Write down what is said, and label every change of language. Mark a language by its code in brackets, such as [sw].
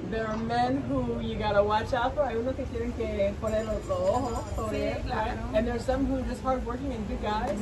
[en] There are men who you gotta watch out for. [es] Hay unos que tienen que poner los ojos sobre él, claro. [en] And there are some who are just hardworking and good guys.